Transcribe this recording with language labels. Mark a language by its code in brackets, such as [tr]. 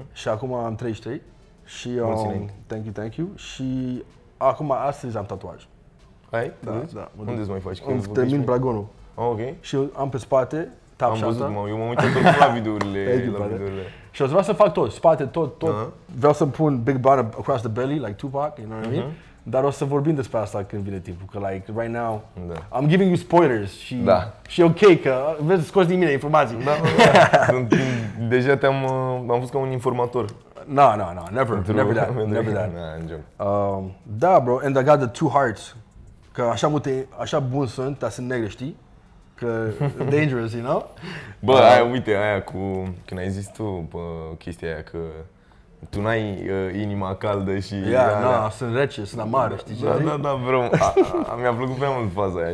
[ro] Și acum am 33. Și [en] thank you. [ro] Și acum astăzi am tatuaj. Ai? Da. Unde îți mai faci? Când termin Bragonul. Oh, ok. Și am pe spate tap. Am și văzut, mă, eu m-am uitat tot la videourile, Și o să vreau să fac tot, spate tot. Vreau să-mi pun [en] Big Brother across the belly like Tupac, you know what I mean? [ro] Dar o să vorbim despre asta când vine timpul, că [en] like right now I'm giving you spoilers [ro] și și ok că vezi, scoți din mine informații. Da. Sunt deja am fost ca un informator. [en] No, never that. Da, bro, and I got the two hearts. [ro] Că așa multe, așa bun sunt, dar sunt negre, știi? [en] Că dangerous, you know? [ro] Bă, aia, uite, aia cu când ai zis tu pe chestia aia că tu n-ai inima caldă și... Sunt rece, sunt amare, știi ce zic? Da, bro, mi-a plăcut prea mult faza aia.